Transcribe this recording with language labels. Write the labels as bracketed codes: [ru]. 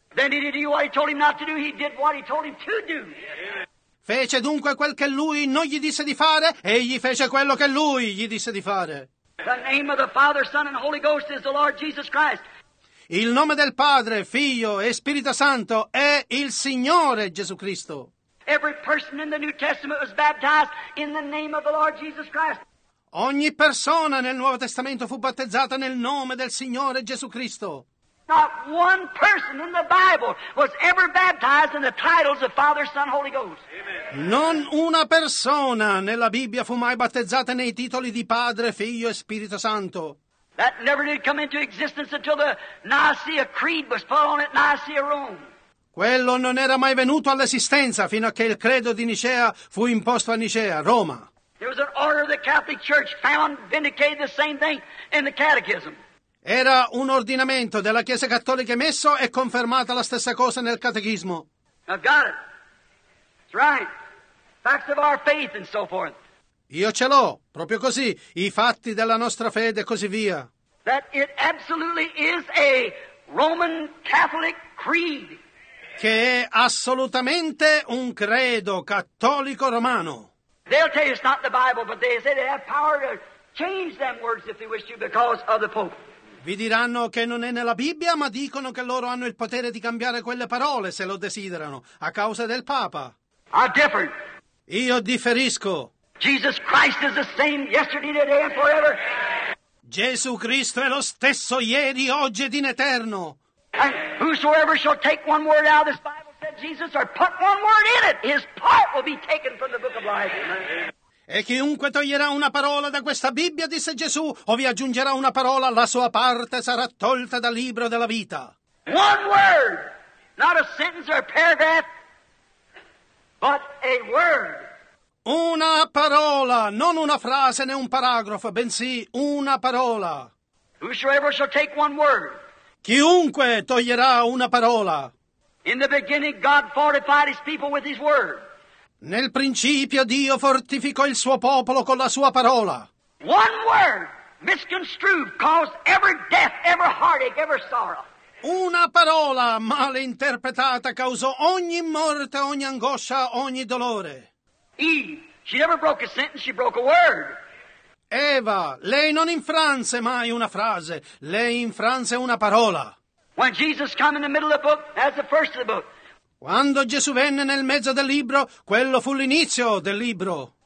[en] Then he did what he told him not to do. He did what he told him to do. [it] Fece dunque quel che lui non gli disse di fare, egli fece quello che lui gli disse di fare. [en] The name of the Father, Son, and Holy Ghost is the Lord Jesus Christ. [it] Il nome del Padre, Figlio e Spirito Santo è il Signore Gesù Cristo. [en] Every person in the New Testament was baptized in the name of the Lord Jesus Christ. [it] Ogni persona nel Nuovo Testamento fu battezzata nel nome del Signore Gesù Cristo. [en] Not one person in the Bible was ever baptized in the titles of Father, Son, Holy Ghost. Amen. [it] Non una persona nella Bibbia fu mai battezzata nei titoli di Padre, Figlio e Spirito Santo. [en] That never did come into existence until the Nicaea Creed was put on at Nicaea, Rome. [it] Quello non era mai venuto all'esistenza fino a che il credo di Nicea fu imposto a Nicea, Roma. [en] There was an order of the Catholic Church found vindicated the same thing in the Catechism. [it] Era un ordinamento della Chiesa Cattolica emesso e confermata la stessa cosa nel Catechismo. [en] I've got it. It's right. Facts of our faith and so forth. [it] Io ce l'ho, proprio così, i fatti della nostra fede e così via. [en] That it absolutely is a Roman Catholic creed. [it] Che è assolutamente un credo cattolico romano. [en] They'll tell you it's not the Bible, but they say they have power to change them words if they wish to because of the Pope. [it] Vi diranno che non è nella Bibbia, ma dicono che loro hanno il potere di cambiare quelle parole, se lo desiderano, a causa del Papa. [en] I differ. [it] Io differisco. [en] Jesus Christ is the same yesterday, today and forever. [it] Gesù Cristo è lo stesso ieri, oggi ed in eterno. [en] And whosoever shall take one word out of this Bible, said Jesus, or put one word in it, his part will be taken from the book of life. Amen. [it] E chiunque toglierà una parola da questa Bibbia, disse Gesù, o vi aggiungerà una parola, la sua parte sarà tolta dal libro della vita. [en] One word, not a sentence or a paragraph, but a word. [it] Una parola, non una frase né un paragrafo, bensì una parola. [en] Whosoever shall take one word. [it] Chiunque toglierà una parola. [en] In the beginning God fortified his people with his word. [it] Nel principio Dio fortificò il suo popolo con la sua parola. [en] One word misconstrued caused every death, every heartache, every sorrow. [it] Una parola male interpretata causò ogni morte, ogni angoscia, ogni dolore. [en] Eve, she never broke a sentence, she broke a word. [it] Eva, lei non infranse mai una frase, lei infranse una parola. [en] When Jesus came in the middle of the book, as the first of the book. [it] Quando Gesù venne nel mezzo del libro, quello fu l'inizio del libro.